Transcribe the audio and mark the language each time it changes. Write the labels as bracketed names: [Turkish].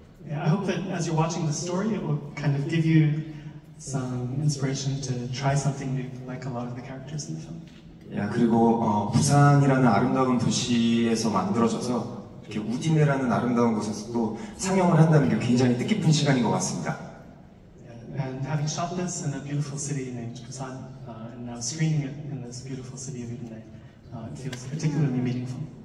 [English] Yeah, I hope that as you're watching the story, it will kind of give you some inspiration to try something new, like a lot of the characters in the film. [Korean] 야 그리고 부산이라는 아름다운 도시에서 만들어져서 이렇게 우디네라는 아름다운 곳에서도 상영을 한다는 게 굉장히 뜻깊은 시간인 것 같습니다. [English] And having shot this in a beautiful city named Busan, and now screening it in this beautiful city of Udine, it feels particularly meaningful.